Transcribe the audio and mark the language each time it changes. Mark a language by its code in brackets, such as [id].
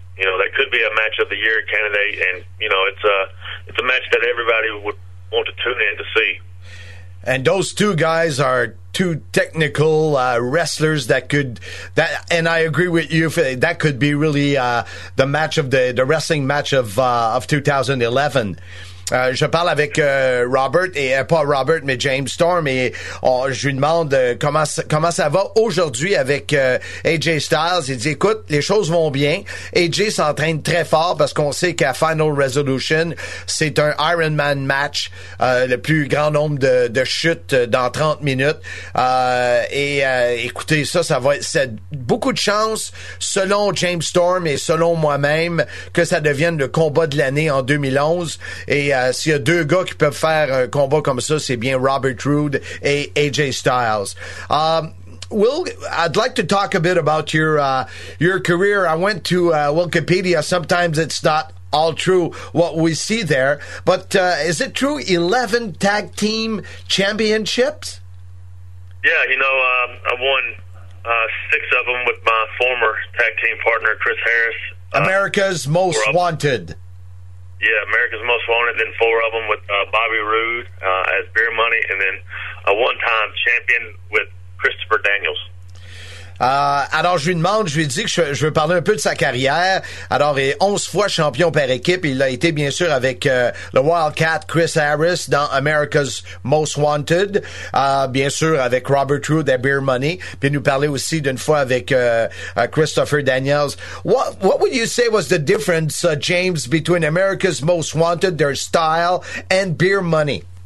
[en] you know, that could be a match of the year candidate, and you know, it's a match that everybody would want to tune in to see. And those two guys are two technical wrestlers that could, that, and I agree with you, that could be really the match of the wrestling match of 2011. [fr] Je parle avec Robert, et pas Robert, mais James Storm, et je lui demande comment ça va aujourd'hui avec AJ Styles. Il dit, écoute, les choses vont bien. AJ s'entraîne très fort parce qu'on sait qu'à Final Resolution, c'est un Iron Man match, le plus grand nombre de chutes dans 30 minutes. Écoutez, ça va être, c'est beaucoup de chance, selon James Storm et selon moi-même, que ça devienne le combat de l'année en 2011. Et s'il y a deux gars qui peuvent faire un combat comme ça, c'est bien Robert Roode et AJ Styles. [en] Will, I'd like to talk a bit about your career. I went to Wikipedia. Sometimes it's not all true what we see there. But is it true, 11 tag team championships? Yeah, you know, I won six of them with my former tag team partner, Chris Harris. America's Most Wanted. Yeah, America's Most Wanted, then four of them with Bobby Roode as Beer Money, and then a one-time champion with Christopher Daniels. [fr] Alors, je lui demande, je lui dis que je veux parler un peu de sa carrière. Alors, il est 11 fois champion par équipe. Il a été, bien sûr, avec le Wildcat Chris Harris dans America's Most Wanted. Bien sûr, avec Robert Roode et Beer Money. Puis, nous parler aussi d'une fois avec Christopher Daniels. [en] What would you say was the difference, James, between America's Most Wanted, their style, and Beer Money?